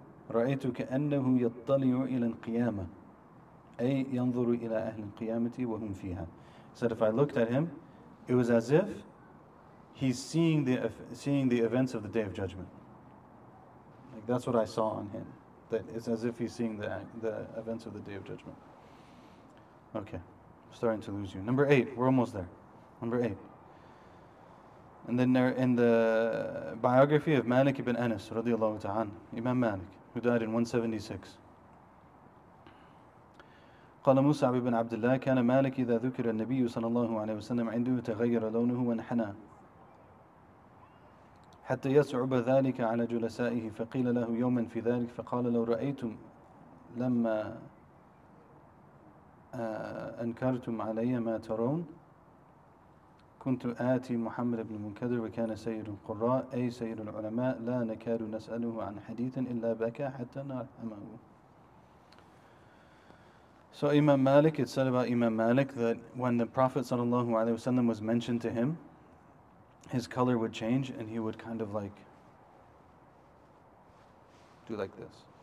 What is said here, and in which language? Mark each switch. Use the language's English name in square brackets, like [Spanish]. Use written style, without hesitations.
[Arabic] رأيت كأنه يطلع إلى القيامة أي ينظر إلى أهل القيامة وهم فيها. [English] Said if I looked at him, it was as if he's seeing the events of the Day of Judgment. Like that's what I saw on him. That it's as if he's seeing the events of the Day of Judgment. Okay, I'm starting to lose you. Number eight, we're almost there. Number eight. And then there in the biography of Malik ibn Anas, radiallahu ta'ala, Imam Malik, who died in 176. [Arabic] قال موسى بن عبد الله كان مالك إذا ذكر النبي صلى الله عليه وسلم عنده تغير لونه وانحنى حتى يصعب ذلك على جلسائه فقيل له يوما في ذلك فقال لو رأيتم لما أنكرتم علي ما ترون كنت آتي محمد بن المنكدر وكان سيد القراء أي سيد العلماء لا نكاد نسأله عن حديث إلا بكى حتى نرحمه. [English] So Imam Malik, it said about Imam Malik that when the Prophet ﷺ was mentioned to him, his color would change and he would kind of like do like this.